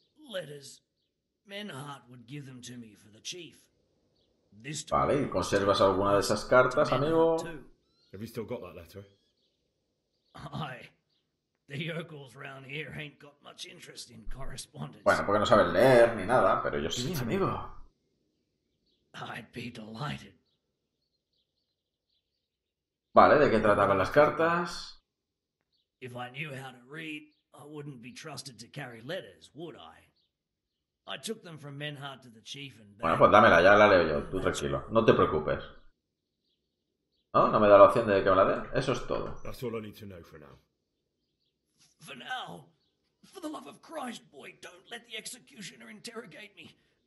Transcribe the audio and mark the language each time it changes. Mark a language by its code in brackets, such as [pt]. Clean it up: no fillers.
[en] Letters. Menhart would give them to me for the chief. This time, [es] vale, ¿conservas alguna de esas cartas, amigo? [en] Have you still got that letter? Aye. The yokels round here ain't got much interest in correspondence. [es] Bueno, porque no saben leer ni nada, pero yo sí, amigo. [en] I'd be delighted. [es] Vale, ¿de qué trataban las cartas? [en] If I knew how to read, I wouldn't be trusted to carry letters, would I? I took them from Menhart to the chief and back. [es] Bueno, pues dámela, ya la leo yo, tú tranquilo. No te preocupes. ¿No? ¿No me da la opción de que me la dé? Eso es todo. [en] That's all I need to know for now. For now? For the love of Christ, boy, don't let the executioner interrogate me.